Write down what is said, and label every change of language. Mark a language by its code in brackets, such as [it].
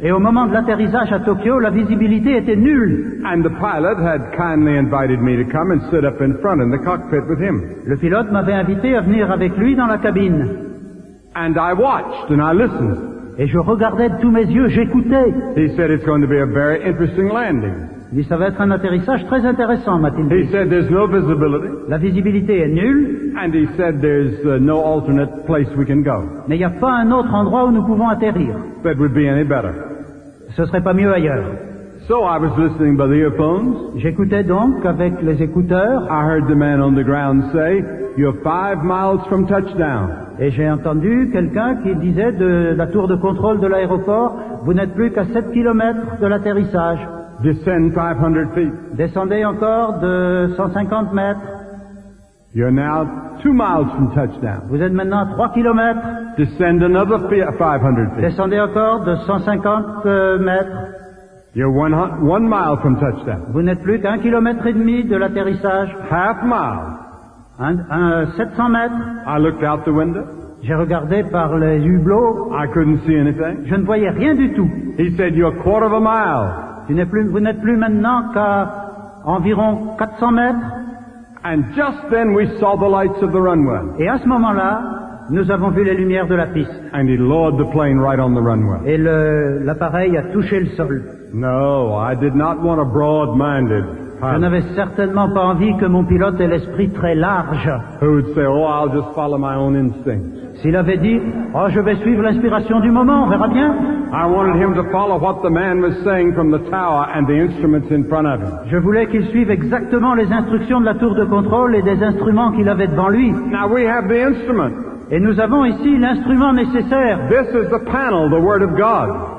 [fr] Et au moment de l'atterrissage à Tokyo, la visibilité était nulle. [en] And the pilot had kindly invited me to come and sit up in front in the cockpit with him. [fr] Le pilote m'avait invité à venir avec lui dans la cabine. [en] And I watched and I listened. [fr] Et je regardais de tous mes yeux, j'écoutais. [en] He said it's going to be a very interesting landing. [fr] Il dit, ça va être un atterrissage très intéressant, m'a-t-il dit. [en] He said, there's no visibility. [fr] La visibilité est nulle. [en] And he said, there's no alternate place we can go. [fr] Mais il n'y a pas un autre endroit où nous pouvons atterrir. [en] That would be any better. [fr] Ce serait pas mieux ailleurs. [en] So I was listening by the earphones. [fr] J'écoutais donc avec les écouteurs. [en] I heard the man on the ground say, you're 5 miles from touchdown. [fr] Et j'ai entendu quelqu'un qui disait de la tour de contrôle de l'aéroport, vous n'êtes plus qu'à 7 kilomètres de l'atterrissage. [en] Descend 500 feet. [fr] Descendez encore de 150 mètres. [en] You're now 2 miles from touchdown. [fr] Vous êtes maintenant à 3 kilomètres. [en] Descend another 500 feet. [fr] Descendez encore de 150 mètres. [en] You're one mile from touchdown. [fr] Vous n'êtes plus qu'à 1,5 km de l'atterrissage. [en] Half mile. [fr] 700 mètres. [en] I looked out the window. [fr] J'ai regardé par les hublots. [en] I couldn't see anything. [fr] Je ne voyais rien du tout. [en] He said, you're a quarter of a mile. [fr] Vous n'êtes plus maintenant qu'à environ 400 mètres. [en] And just then we saw the lights of the runway. [fr] Et à ce moment-là, nous avons vu les lumières de la piste. [en] And he lowered the plane right on the runway. [fr] Et l'appareil a touché le sol. [en] No, I did not want a broad-minded pilot. [fr] Je n'avais certainement pas envie que mon pilote ait l'esprit très large. [en] Who would say, oh, I'll just follow my own instincts. [fr] S'il avait dit, oh, je vais suivre l'inspiration du moment, on verra bien. [en] I wanted him to follow what the man was saying from the tower and the instruments in front of him. [fr] Je voulais qu'il suive exactement les instructions de la tour de contrôle et des instruments qu'il avait devant lui. [en] Now we have the instrument. [fr] Et nous avons ici l'instrument nécessaire. [en] This is the panel, the word of God.